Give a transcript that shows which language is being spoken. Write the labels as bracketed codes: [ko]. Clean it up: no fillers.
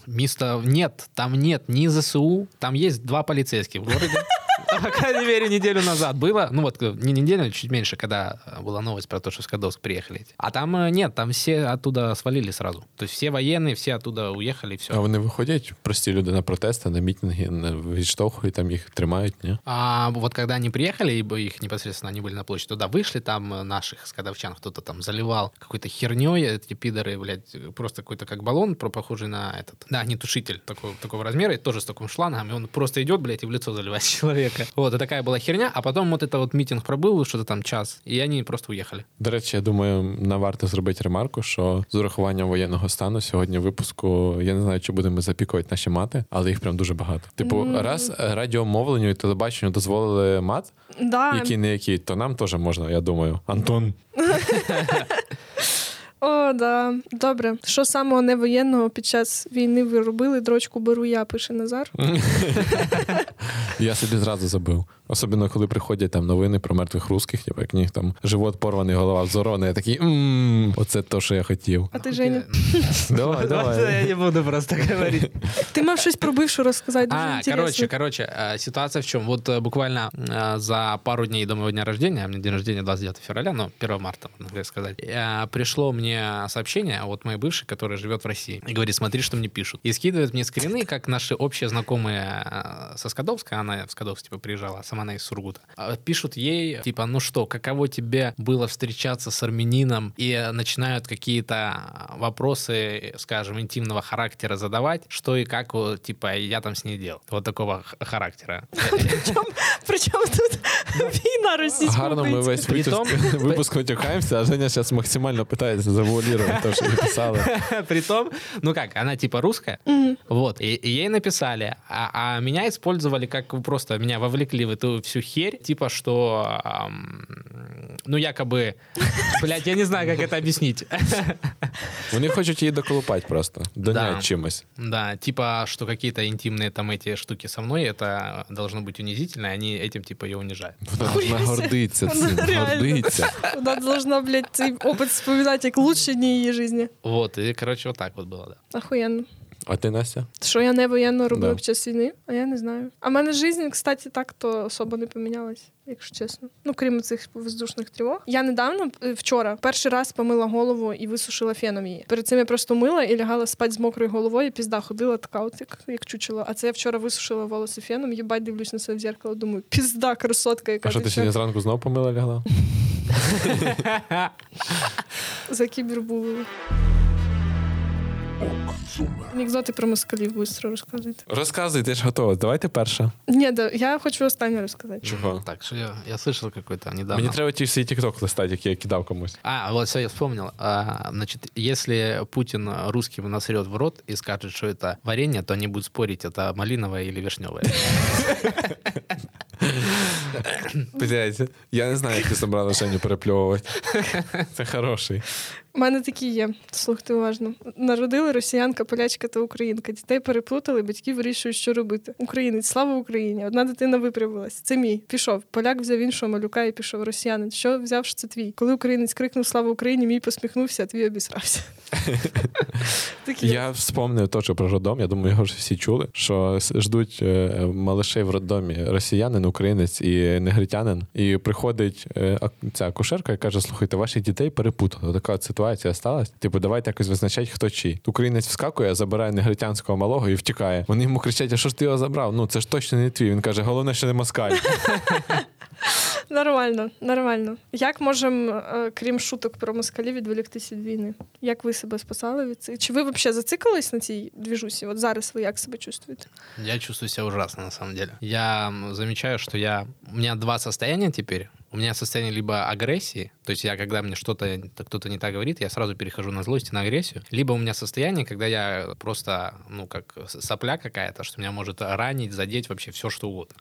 [ru] Место нет. Там нет ни ЗСУ. Там есть два полицейских в городе. По крайней мере, неделю назад было. Ну вот, не неделю, чуть меньше, когда была новость про то, что в Скадовск приехали. А там нет, там все оттуда свалили сразу. То есть все военные, все оттуда уехали, и все. [uk] А вони виходять, прості люди, на протести, на мітинги, на відштовхують, там їх тримають, ні? [ru] А вот когда они приехали, ибо их непосредственно, они были на площадь, туда вышли, там наших скадовчан кто-то там заливал какой-то хернёй, эти пидоры, блядь, просто какой-то как баллон, похожий на этот, да, огнетушитель такого размера, и тоже с таким шлангом, и он просто идет, блядь, и в лицо заливает человек. Вот, и такая была херня, а потом вот это вот митинг пробыл, что-то там час, и они просто уехали. [uk] До речі, я думаю, на варто зробити ремарку, що з урахуванням воєнного стану сьогодні випуску, я не знаю, чи будемо запікувати наші мати, але їх прям дуже багато. Типу, раз радіомовленню і телебаченню дозволили мат, [ru] да, [uk] який не який, то нам теж можна, я думаю. Антон. О, да. Добре. Що самого невоєнного під час війни ви робили? Дрочку беру я, пише Назар. Я собі зразу забив. Особливо, коли приходять там новини про мертвих русських, типу, як ніг там живот порваний, голова взорвана, я такий, оце то, що я хотів. А ти, Женя? Давай. Я не буду просто говорити. Ти мав щось про бившу розказати, дуже інтересно. Короче, ситуація в чому. [ru] Вот буквально за пару [uk] днів до мого [ru] дня рождения, [uk] у мене [ru] день рождения 29 февраля, ну, 1 марта, [uk] можна сказати, прийшло [ru] мне сообщение от моей бывшей, которая живет в России, и говорит, смотри, что мне пишут. И скидывает мне скрины, как наши общие знакомые со Скадовска, она в Скадовск типа приезжала, сама она из Сургута, пишут ей, типа, ну что, каково тебе было встречаться с армянином, и начинают какие-то вопросы, скажем, интимного характера задавать, что и как, типа, я там с ней делал. Вот такого характера. [uk] Причем тут війна російську. Гарно, ми весь випуск витюхаємося, а Женя зараз максимально питається завуалірувати те, що їй писали. Притом, ну як, вона типа русская, вот, і їй написали, а мене использовали, як просто мене [ru] вовлекли в эту всю херь, [uk] типа, що, ну якоби, блядь, я не знаю, як це объяснить. Вони хочуть її доколупати просто, донять чимось. [ru] Да, типа, що какие-то інтимні там эти штуки со мною, это должно быть унизительно, они этим типа её унижают. [uk] Вона гордиться цим, гордиться. Вона должна, блядь, цей [ru] опыт вспоминать, [uk] як лучші дні її життя. [ru] Вот, і, короче, вот так вот было, да. Охуенно. [uk] А ти, Настя? Що я не воєнно робила під час війни? А я не знаю. А в мене життя, кстати, так то особо не помінялось. Якщо чесно. Ну, крім цих воздушних тривог. Я недавно, вчора, перший раз помила голову і висушила феном її. Перед цим я просто мила і лягала спати з мокрою головою, пізда ходила, така от як чучело. А це я вчора висушила волосся феном, їбать, дивлюсь на себе в зеркало, думаю, пізда, красотка яка. А що, ти сьогодні зранку знову помила, лягла? За кібер були. Анекдоти про москалів быстро розказуйте. Розказуйте, я ж готова. Давайте перша. Ні, да, я хочу останню розказати. Чого? [ru] Так, що я слышал какой-то недавно. [uk] Мені треба ті всі тік-ток листати, які я кидав комусь. [ru] А, вот все, я вспомнил. Значить, если Путін русским насрет в рот и скажет, что это варенье, то они будут спорить, это малиновое или вишневое. [uk] Блядь, я не знаю, як ти собрала Женю переплювати. Це хороший. У мене такі є, слухайте уважно. Народили росіянка, полячка та українка. Дітей переплутали, батьки вирішують, що робити. Українець, слава Україні! Одна дитина виправилась. Це мій. Пішов. Поляк взяв іншого малюка і пішов. Росіянин. Що взяв, що це твій? Коли українець крикнув «Слава Україні!», мій посміхнувся, а твій обісрався. Я вспомнив теж про роддом. Я думаю, його ж всі чули, що ждуть малишей в роддомі. Росіянин, українець і негритянин. І приходить ця акушерка і каже, слухайте, ваших дітей перепутали. Така ситуація сталася. Типу, давайте якось визначати, хто чий. Українець вскакує, забирає негритянського малого і втікає. Вони йому кричать, а що ж ти його забрав? Ну, це ж точно не твій. Він каже, головне, що не москаль. Нормально, нормально. Як можемо, крім шуток про москалів, відволіктися від війни? Як ви себе спасали від цього? Чи ви взагалі зациклились на цій двіжусі? От зараз ви як себе чувствуєте? [ru] Я чувствуюся ужасно, на самом деле. Я замечаю, що я... [uk] У мене [ru] два состояния тепер. У меня состояние либо агрессии, то есть я, когда мне что-то, кто-то не так говорит, я сразу перехожу на злость и на агрессию, либо у меня состояние, когда я просто, ну, как сопля какая-то, что меня может ранить, задеть вообще все, что угодно.